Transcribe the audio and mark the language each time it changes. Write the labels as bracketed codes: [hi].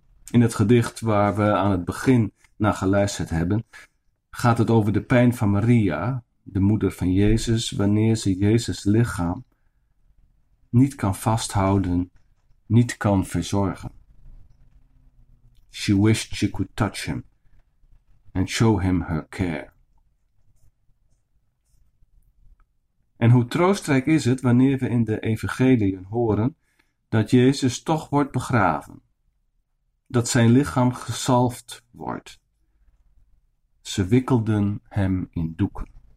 [nl] In het gedicht waar we aan het begin naar geluisterd hebben, gaat het over de pijn van Maria, de moeder van Jezus, wanneer ze Jezus' lichaam niet kan vasthouden, niet kan verzorgen. [en] She wished she could touch him and show him her care. [nl] En hoe troostrijk is het wanneer we in de evangeliën horen dat Jezus toch wordt begraven, dat zijn lichaam gezalfd wordt. Ze wikkelden hem in doeken.